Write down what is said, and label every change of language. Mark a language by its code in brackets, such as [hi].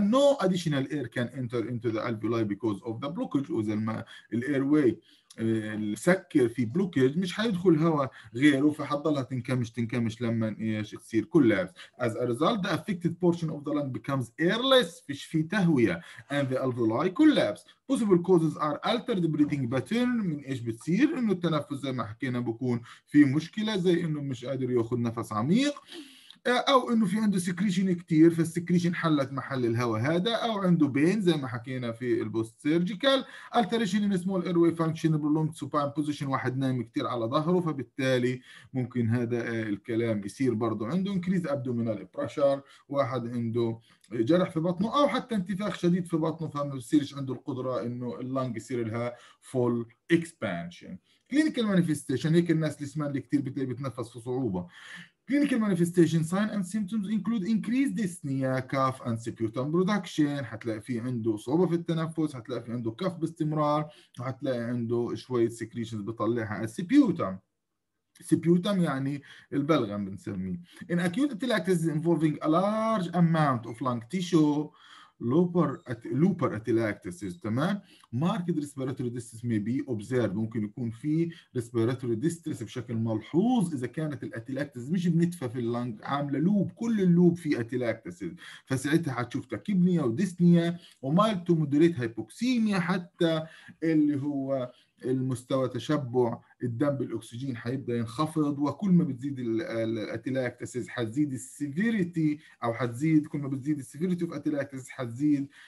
[en] No additional air can enter into the alveoli because of the blockage. [ar] وزي ما الايرواي السكر في blockage، مش حيدخل هواء غيره، فحتضلها تنكمش لما إيش تصير collapse. [en] As a result the affected portion of the lung becomes airless، [ar] فيش في تهوية، [en] and the alveoli collapse. Possible causes are altered breathing pattern. [ar] من إيش بتصير؟ إنه التنفس زي ما حكينا بكون في مشكلة، زي إنه مش قادر يأخذ نفس عميق، أو إنه في عنده secretion كتير، فالsecretion حلت محل الهواء هذا، أو عنده pain زي ما حكينا في البوست surgical. [en] Alteration in small airway function prolonged supine position، [ar] واحد نايم كتير على ظهره، فبالتالي ممكن هذا الكلام يصير برضو عنده. [en] Increase abdominal pressure، [ar] واحد عنده جرح في بطنه، أو حتى انتفاخ شديد في بطنه، فما بصيرش عنده القدرة إنه اللنج يصير لها [en] full expansion. [ar] Clinical manifestation، هيك الناس اللي سمان لي كتير بتلاقي بتنفس في صعوبة. [en] Clinical manifestation sign and symptoms include increased dyspnea, cough and sputum production. [ar] هتلاقي في عنده صعوبة في التنفس، هتلاقي في عنده cough باستمرار، وهتلاقي عنده شوية secretions بطلعها sputum. Sputum يعني البلغم بنسميه. [en] In acute atelectasis involving a large amount of lung tissue, looper atelectasis, تمام؟ Marked respiratory distress may be observed. [ar] ممكن يكون في respiratory distress بشكل ملحوظ إذا كانت الاتلاكتاسيز مش بنتفة في اللنج، عاملة لوب، كل اللوب فيه اتلاكتاسيز، فساعتها هتشوف تاكيبنيا وديسنيا ومايلد تو مودريت هايبوكسيميا، حتى اللي هو المستوى تشبع الدم بالأكسجين حيبدأ ينخفض، وكل ما بتزيد الاتلاكتاسيز حتزيد السيفيريتي، أو حتزيد كل ما بتزيد السيفيريتي في الاتلاكتاسيز حتزيد